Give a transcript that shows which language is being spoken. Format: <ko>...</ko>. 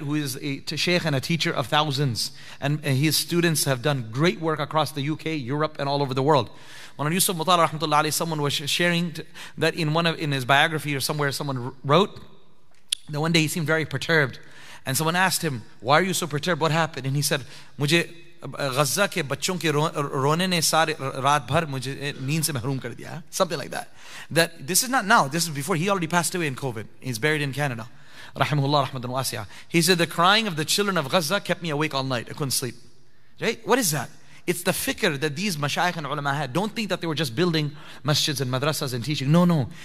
<en>Who is a sheikh and a teacher of thousands, and his students have done great work across the UK, Europe, and all over the world. Murana Yusuf Mutala, rahmatullah alayh, someone was sharing that in his biography or somewhere, someone wrote that one day he seemed very perturbed, and someone asked him, "Why are you so perturbed? What happened?"</en> <ur>And he said, "Mujhe Gaza کے بچوں کے رونے نے سارے رات بھر مجھے نیند سے محروم کر دیا."</ur> <en>Something like that. That this is not now. This is before. He already passed away in COVID. He's buried in Canada. Rahimahullah, rahmatan wasi'a. He said, the crying of the children of Gaza kept me awake all night. I couldn't sleep. Right? What is that? It's the fikr that these mashayikh and ulama had. Don't think that they were just building masjids and madrasas and teaching. No, no.</en>